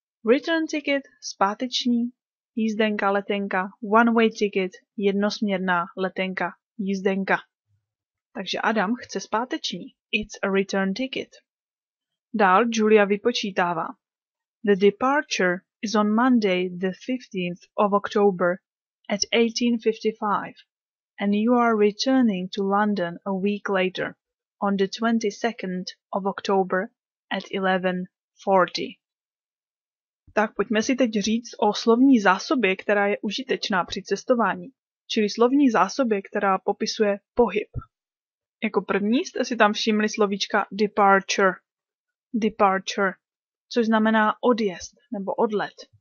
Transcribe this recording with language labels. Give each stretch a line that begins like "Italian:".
English: Return ticket,
Czech: zpáteční. Jízdenka, letenka.
English: One-way ticket,
Czech: jednosměrná letenka, jízdenka. Takže Adam chce zpáteční.
English: It's a return ticket.
Czech: Dál Julia vypočítává.
English: The departure is on Monday the 15th of October at 18:55 and you are returning to London a week later on the 22nd of October at 11:40.
Czech: Tak pojďme si teď říct o slovní zásobě, která je užitečná při cestování, čili slovní zásobě, která popisuje pohyb. Jako první jste si tam všimli slovíčka departure. Departure, což znamená odjezd nebo odlet.